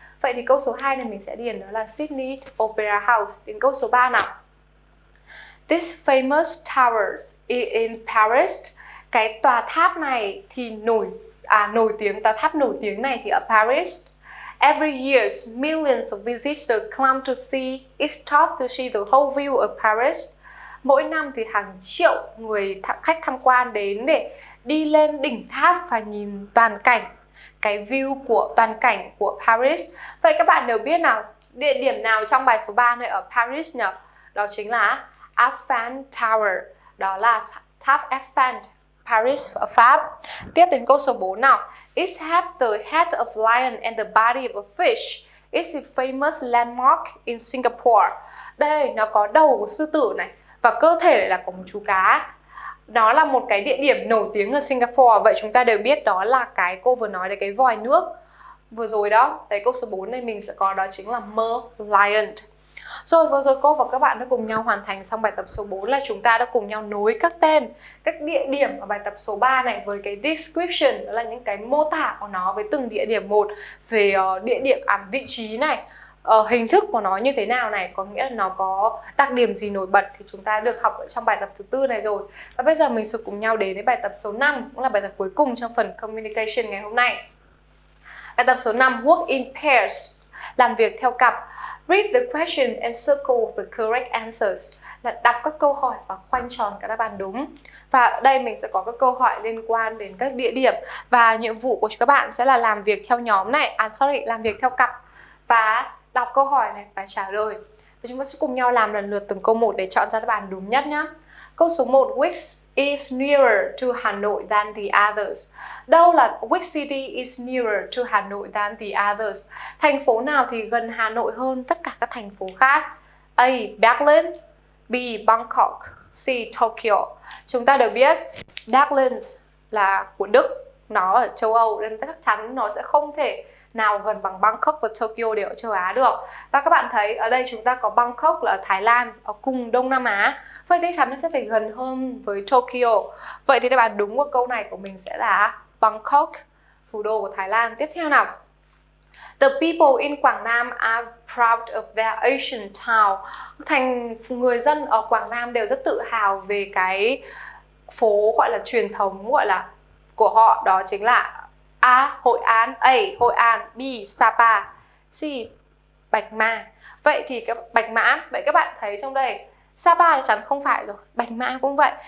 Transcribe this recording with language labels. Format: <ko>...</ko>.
<vi>Vậy thì câu số 2 này mình sẽ điền đó là Sydney Opera House. Đến câu số 3 nào.</vi> <en>This famous towers in Paris.</en> <vi>Cái tòa tháp này thì tòa tháp nổi tiếng này thì ở Paris.</vi> <en>Every year, millions of visitors come to see. It's tough to see the whole view of Paris.</en> <vi>Mỗi năm thì hàng triệu người khách tham quan đến để đi lên đỉnh tháp và nhìn toàn cảnh, cái view của toàn cảnh của Paris. Vậy các bạn đều biết nào, địa điểm nào trong bài số 3 này ở Paris nhỉ? Đó chính là Eiffel Tower. Đó là tháp Eiffel. Paris, Pháp. Tiếp đến câu số 4 nào.</vi> <en>It has the head of lion and the body of a fish. It's a famous landmark in Singapore.</en> <vi>Đây, nó có đầu của sư tử này và cơ thể lại là của một chú cá. Đó là một cái địa điểm nổi tiếng ở Singapore. Vậy chúng ta đều biết đó là cái cô vừa nói là cái vòi nước vừa rồi đó. Đấy, câu số 4 này mình sẽ có đó chính là Merlion. Rồi vừa rồi cô và các bạn đã cùng nhau hoàn thành xong bài tập số 4, là chúng ta đã cùng nhau nối các tên, các địa điểm ở bài tập số 3 này với cái description, đó là những cái mô tả của nó với từng địa điểm một, về địa điểm vị trí này, hình thức của nó như thế nào này, có nghĩa là nó có đặc điểm gì nổi bật thì chúng ta được học ở trong bài tập thứ 4 này rồi. Và bây giờ mình sẽ cùng nhau đến với bài tập số 5, cũng là bài tập cuối cùng trong phần communication ngày hôm nay. Bài tập số 5,</vi> <en>work in pairs,</en> <vi>làm việc theo cặp.</vi> <en>Read the question and circle the correct answers.</en> <vi>Là đọc các câu hỏi và khoanh tròn các đáp án đúng. Và ở đây mình sẽ có các câu hỏi liên quan đến các địa điểm. Và nhiệm vụ của các bạn sẽ là làm việc theo nhóm này. Làm việc theo cặp. Và đọc câu hỏi này và trả lời. Và chúng ta sẽ cùng nhau làm lần lượt từng câu một để chọn ra đáp án đúng nhất nhé. Câu số 1,</vi> <en>which is nearer to Hà Nội than the others?</en> <vi>Đâu là</vi> <en>which city is nearer to Hà Nội than the others?</en> <vi>Thành phố nào thì gần Hà Nội hơn tất cả các thành phố khác? A. Berlin, B. Bangkok, C. Tokyo. Chúng ta đều biết Berlin là của Đức, nó ở châu Âu nên chắc chắn nó sẽ không thể nào gần bằng Bangkok và Tokyo để ở châu Á được. Và các bạn thấy ở đây chúng ta có Bangkok là ở Thái Lan, ở cùng Đông Nam Á. Vậy thì chắc nó sẽ phải gần hơn với Tokyo. Vậy thì đáp án đúng của câu này của mình sẽ là Bangkok, thủ đô của Thái Lan. Tiếp theo nào.</vi> <en>The people in Quảng Nam are proud of their ancient town.</en> <vi>Thành người dân ở Quảng Nam đều rất tự hào về cái phố gọi là truyền thống gọi là của họ, đó chính là A. Hội An, A. Hội An, B. Sapa, C. Bạch Mã. Vậy thì các Bạch Mã, vậy các bạn thấy trong đây Sapa chắc chắn không phải rồi, Bạch Mã cũng vậy.</vi>